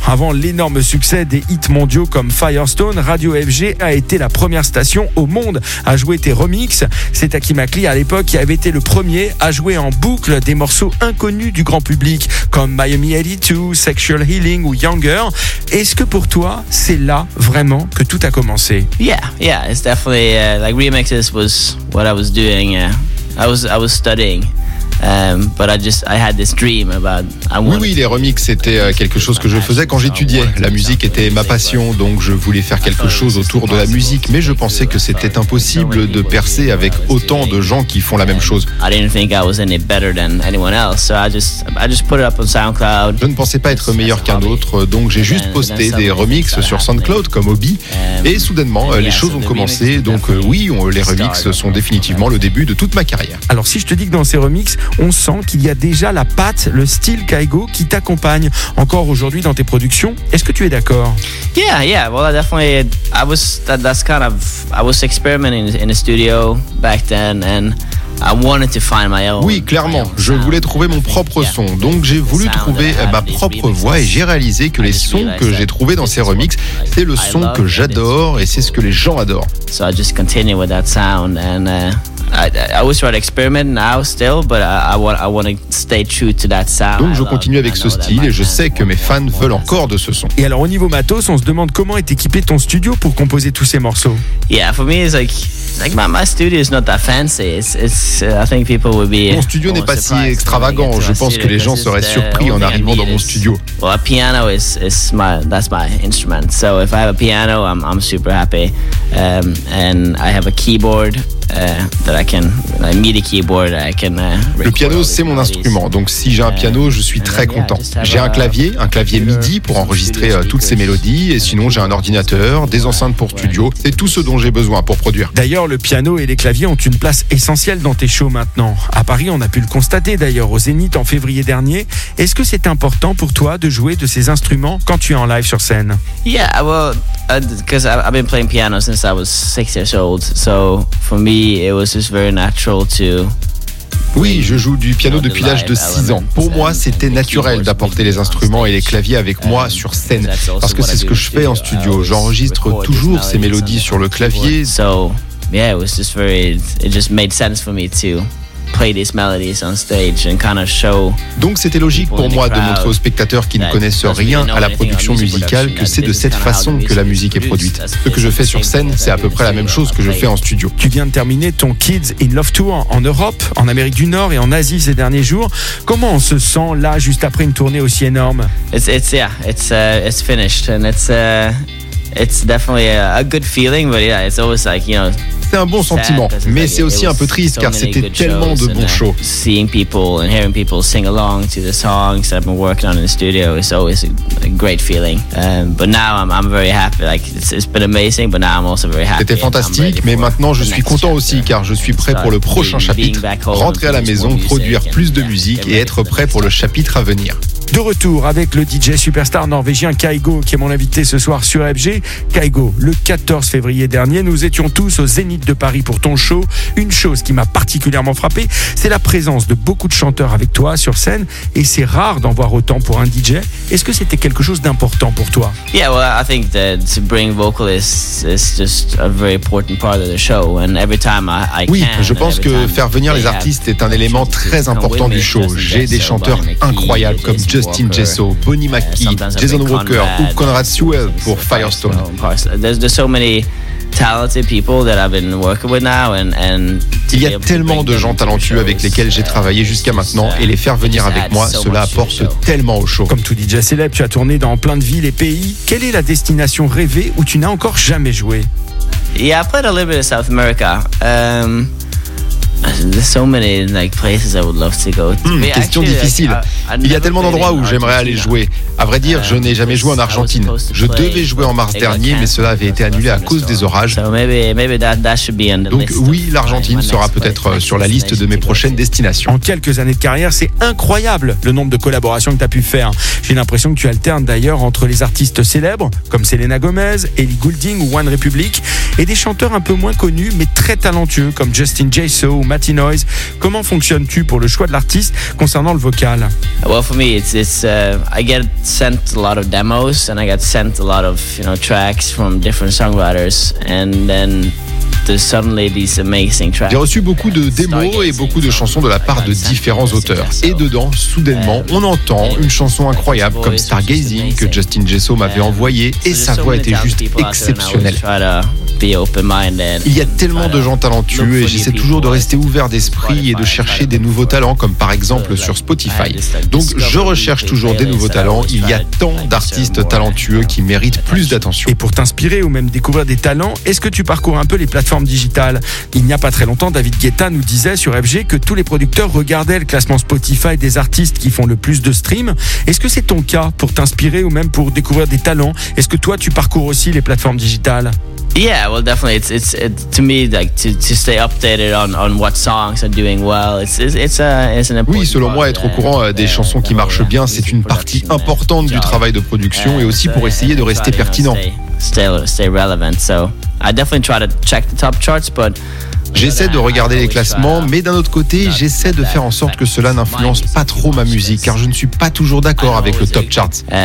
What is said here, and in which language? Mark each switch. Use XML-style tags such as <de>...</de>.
<fr>Avant l'énorme succès des hits mondiaux comme Firestone, Radio FG a été la première station au monde à jouer tes remixes. C'est Aki Makli à l'époque qui avait été le premier à jouer en boucle des morceaux inconnus du grand public comme Miami 82, Sexual Healing ou Younger. Est-ce que pour toi, c'est là vraiment que tout a commencé?</fr> <en>It's definitely like remixes was what I was doing. I was studying. But I had this dream about.</en> <fr>Oui, les remixes, c'était quelque chose que je faisais quand j'étudiais. La musique était ma passion, donc je voulais faire quelque chose autour de la musique, mais je pensais que c'était impossible de percer avec autant de gens qui font la même chose. Je ne pensais pas être meilleur qu'un autre, donc j'ai juste posté des remixes sur SoundCloud comme hobby, et soudainement, les choses ont commencé. Donc oui, les remixes sont définitivement le début de toute ma carrière. Alors si je te dis que dans ces remixes, on sent qu'il y a déjà la patte, le style Kygo qui t'accompagne encore aujourd'hui dans tes productions. Est-ce que tu es d'accord?</fr> <en>Yeah. Well, I was experimenting in the studio back then, and I wanted to find my own.</en> <fr>Oui, clairement. Je voulais trouver mon propre son. Donc j'ai voulu trouver ma propre voix et j'ai réalisé que les sons que j'ai trouvés dans ces remixes, c'est le son que j'adore et c'est ce que les gens adorent.</fr> <en>So I just continue with that sound and. I always try to experiment now still, but I want to stay true to that sound.</en> <fr>Donc je continue avec ce style et je sais que mes fans veulent encore de ce son. Et alors au niveau matos, on se demande comment est équipé ton studio pour composer tous ces morceaux.</fr> <en>Yeah, for me it's like my studio is not that fancy. I think people would be.</en> <fr>Mon studio n'est pas si extravagant. Je pense que les gens seraient surpris en arrivant dans mon studio.</fr> <en>Well, a piano is my instrument. So if I have a piano, I'm super happy. And I have a keyboard.</en> <fr>Le piano, c'est mon instrument. Donc si j'ai un piano, je suis très content. J'ai un clavier MIDI pour enregistrer toutes ces mélodies. Et sinon, j'ai un ordinateur, des enceintes pour studio. C'est tout ce dont j'ai besoin pour produire. D'ailleurs, le piano et les claviers ont une place essentielle dans tes shows maintenant. À Paris, on a pu le constater d'ailleurs au Zénith en février dernier. Est-ce que c'est important pour toi de jouer de ces instruments quand tu es en live sur scène?</fr> <en>Yeah, well, because I've been playing piano since I was 6 years old. So for me, it was just very natural to.</en> <fr>Oui, je joue du piano depuis l'âge de 6 ans. Pour moi, c'était naturel d'apporter les instruments et les claviers avec moi sur scène. Parce que c'est ce que je fais en studio. J'enregistre toujours ces mélodies sur le clavier.</fr> <en>So, yeah, it just made sense for me to. Play these melodies on stage and kind of show.</en> <fr>Donc c'était logique pour moi de montrer aux spectateurs qui ne connaissent rien à la production musicale que c'est de cette façon que la musique est produite. Ce que je fais sur scène, c'est à peu près la même chose que je fais en studio. Tu viens de terminer ton Kids in Love Tour en Europe, en Amérique du Nord et en Asie ces derniers jours. Comment on se sent là juste après une tournée aussi énorme?</fr> <en>It's finished and it's definitely a good feeling, but yeah, it's always like, you know.</en> <fr>C'est un bon sentiment, mais c'est aussi un peu triste car c'était tellement de bons shows.</fr> <en>Seeing people and hearing people sing along to the songs that I've been working on in the studio is always a great feeling. But now I'm very happy. Like it's been amazing, but now I'm also very happy.</en> <fr>C'était fantastique, mais maintenant je suis content aussi car je suis prêt pour le prochain chapitre. Rentrer à la maison, produire plus de musique et être prêt pour le chapitre à venir. De retour avec le DJ superstar norvégien Kygo, qui est mon invité ce soir sur FG. Kygo, le 14 février dernier, nous étions tous au Zénith de Paris pour ton show. Une chose qui m'a particulièrement frappé, c'est la présence de beaucoup de chanteurs avec toi sur scène. Et c'est rare d'en voir autant pour un DJ. Est-ce que c'était quelque chose d'important pour toi?</fr> <en>Yeah, well, I think that to bring vocalists is just a very important part of the show. And every time I can.</en> <fr>Oui, je pense que faire venir les artistes est un élément très important du show. J'ai des chanteurs incroyables comme Justin Jesso, Bonnie McKee, Jason Walker ou Conrad Sewell pour Firestone.</fr> <en>There's so many talented people that I've been working with now and</en> <fr>il y a tellement de gens talentueux avec lesquels j'ai travaillé jusqu'à maintenant et les faire venir avec moi, cela apporte tellement au show. Comme tout DJ célèbre, tu as tourné dans plein de villes et pays. Quelle est la destination rêvée où tu n'as encore jamais joué?</fr> <en>Yeah, I played a little bit of South America. There's so many like places I would love to go.</en> <fr>Question difficile. Il y a tellement d'endroits où j'aimerais aller jouer. À vrai dire, je n'ai jamais joué en Argentine. Je devais jouer en mars dernier, mais cela avait été annulé à cause des orages. Donc oui, l'Argentine sera peut-être sur la liste de mes prochaines destinations. En quelques années de carrière, c'est incroyable le nombre de collaborations que tu as pu faire. J'ai l'impression que tu alternes d'ailleurs entre les artistes célèbres comme Selena Gomez, Ellie Goulding ou One Republic et des chanteurs un peu moins connus mais très talentueux comme Justin Jesso ou Matty Noyes. Comment fonctionnes-tu pour le choix de l'artiste concernant le vocal?</fr> <en>Well, for me, I get sent a lot of demos and I get sent a lot of, you know, tracks from different songwriters and then suddenly these amazing tracks.</en> <fr>J'ai reçu beaucoup de démos et beaucoup de chansons de la part de différents auteurs. Et dedans, soudainement, on entend une chanson incroyable comme Stargazing que Justin Jesso m'avait envoyée et sa voix était juste exceptionnelle. Il y a tellement de gens talentueux et j'essaie toujours de rester ouvert d'esprit et de chercher des nouveaux talents comme par exemple sur Spotify. Donc je recherche toujours des nouveaux talents. Il y a tant d'artistes talentueux qui méritent plus d'attention. Et pour t'inspirer ou même découvrir des talents, est-ce que tu parcours un peu les plateformes digitales? Il n'y a pas très longtemps, David Guetta nous disait sur FG que tous les producteurs regardaient le classement Spotify des artistes qui font le plus de streams. Est-ce que c'est ton cas pour t'inspirer ou même pour découvrir des talents? Est-ce que toi tu parcours aussi les plateformes digitales?</fr> <en>Yeah, well, definitely. To me, to stay updated on what songs are doing well. It's an important.</en> <fr>Oui, selon moi, être au courant des chansons qui marchent bien, c'est une partie importante du travail de production et aussi pour essayer de rester pertinent.</fr> <en>Stay relevant. So, I definitely try to check the top charts, but.</en> <fr>J'essaie de regarder les classements, mais d'un autre côté, j'essaie de faire en sorte que cela n'influence pas trop ma musique, car je ne suis pas toujours d'accord avec le top charts.</fr>